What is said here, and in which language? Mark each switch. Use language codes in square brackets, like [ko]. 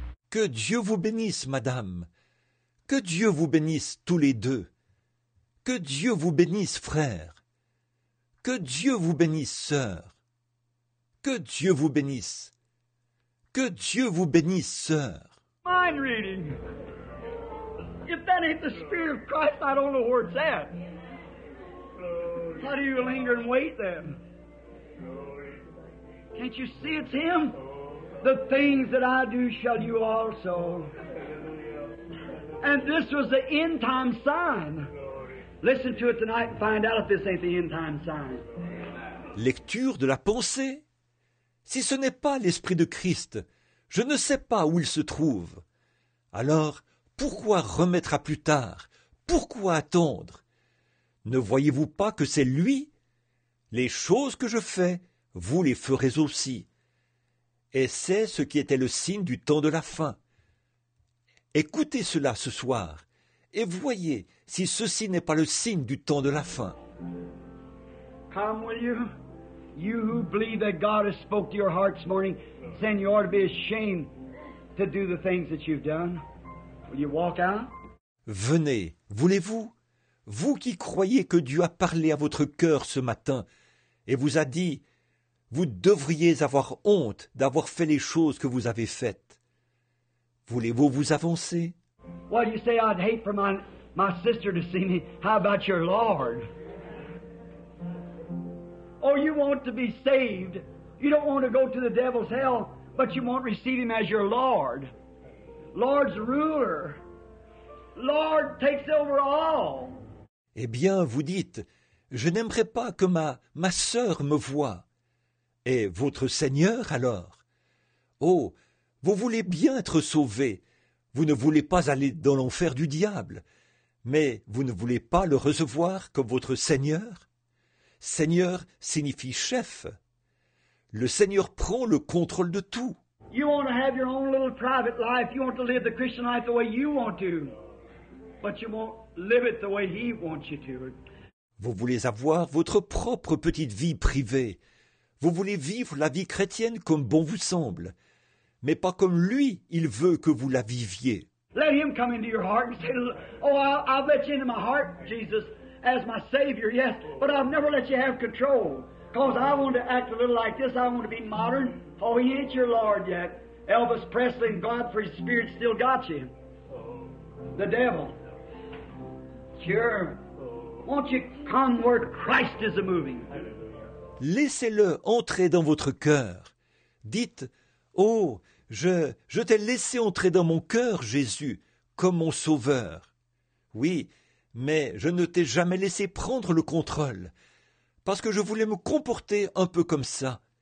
[fr] Que Dieu vous bénisse, madame. Que Dieu vous bénisse tous les deux. Que Dieu vous bénisse, frère. Que Dieu vous bénisse, sœur. Que Dieu vous bénisse. Que Dieu vous bénisse, sœur. [en] Mind reading. If that ain't the Spirit of Christ, I don't know where it's at. How do you linger and wait then? Can't you see it's Him? The things that I do shall you also. And this was the end time sign. Listen to it tonight and find out if this ain't the end time sign. [fr] Lecture de la pensée. Si ce n'est pas l'Esprit de Christ, je ne sais pas où il se trouve. Alors, pourquoi remettre à plus tard? Pourquoi attendre? Ne voyez-vous pas que c'est lui? Les choses que je fais, vous les ferez aussi. Et c'est ce qui était le signe du temps de la fin. Écoutez cela ce soir et voyez si ceci n'est pas le signe du temps de la fin. [en] Come, will you? You who believe that God has spoken to your heart this morning, then you ought to be ashamed to do the things that you've done. Will you walk out? [fr] Venez, voulez-vous? Vous qui croyez que Dieu a parlé à votre cœur ce matin et vous a dit, vous devriez avoir honte d'avoir fait les choses que vous avez faites. Voulez-vous vous avancer? [en] What do you say? I'd hate for my sister to see me. How about your Lord? Oh, you want to be saved. You don't want to go to the devil's hell, but you want to receive Him as your Lord. Lord's ruler. Lord takes over all. [fr] Eh bien, vous dites, je n'aimerais pas que ma sœur me voie. Et votre Seigneur, alors? Oh, vous voulez bien être sauvé. Vous ne voulez pas aller dans l'enfer du diable. Mais vous ne voulez pas le recevoir comme votre Seigneur? Seigneur signifie chef. Le Seigneur prend le contrôle de tout. [en] You want to have your own little private life. You want to live the Christian life the way you want to. But you won't live it the way He wants you to. [fr] Vous voulez avoir votre propre petite vie privée. Vous voulez vivre la vie chrétienne comme bon vous semble, mais pas comme lui, il veut que vous la viviez. [en] Let Him come into your heart and say, oh, I'll let you into my heart, Jesus, as my Savior, yes, but I'll never let you have control, because I want to act a little like this, I want to be modern. Oh, He ain't your Lord yet. Elvis Presley and Godfrey's spirit still got you. The devil. Sure. Won't you come where Christ is moving? [fr] Laissez-le entrer dans votre cœur. Dites, « Oh, je t'ai laissé entrer dans mon cœur, Jésus, comme mon Sauveur. Oui, mais je ne t'ai jamais laissé prendre le contrôle, parce que je voulais me comporter un peu comme ça.